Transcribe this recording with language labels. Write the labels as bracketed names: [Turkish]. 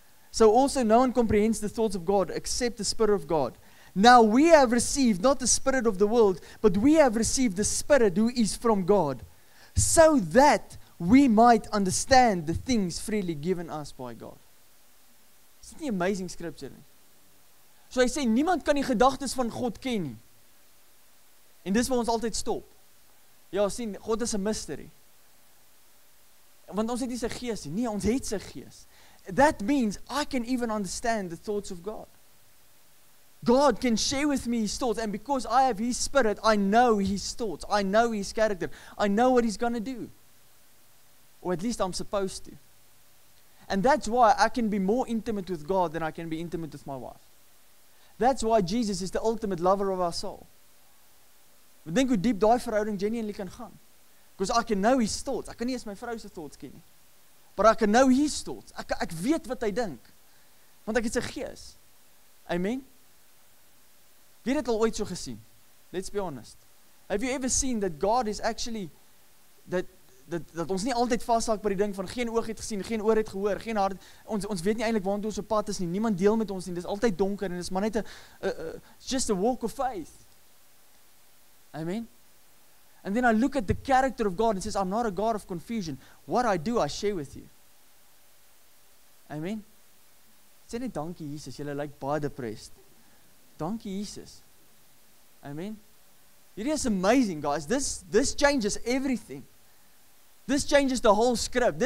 [English] So also no one comprehends the thoughts of God except the Spirit of God. Now we have received not the Spirit of the world, but we have received the Spirit who is from God. So that we might understand the things freely given us by God. [Afrikaans] Is dit nie amazing scripture nie? So hy sê, niemand kan die gedagtes van God ken nie. En dis waar ons altyd stop. Ja, sien, [English] God is a mystery. [Afrikaans] Want ons het nie sy gees nie. Nee, ons het sy gees. [English] That means I can even understand the thoughts of God. God can share with me His thoughts, and because I have His Spirit, I know His thoughts. I know His character. I know what He's going to do. Or at least I'm supposed to. And that's why I can be more intimate with God than I can be intimate with my wife. That's why Jesus is the ultimate lover of our soul. We think [Afrikaans] hoe deep die verhouding genuinely kan gaan. [English] Because I can know His thoughts. I can [Afrikaans] nie eens my vrou se thoughts ken nie. [English] But I can know His thoughts. [Afrikaans] Ek weet wat hy dink. Want ek het sy gees. Amen. Wie het al ooit so gesien? [English] Let's be honest. Have you ever seen that God is actually [Afrikaans] dat ons nie altyd vashaak by die ding van geen oog het gesien, geen oor het gehoor, geen hart, ons weet nie eintlik waartoe ons op pad is nie, niemand deel met ons nie, dit is altyd donker, en dit is maar net [English] just a walk of faith. [Afrikaans] Amen? [English] And then I look at the character of God and says, I'm not a God of confusion. What I do, I share with you. Amen? [Afrikaans] Sê net dankie Jesus, jylle like baie depressed. Dankie Jesus. Amen? Hierdie is amazing guys, [English] this changes everything. This changes the whole script.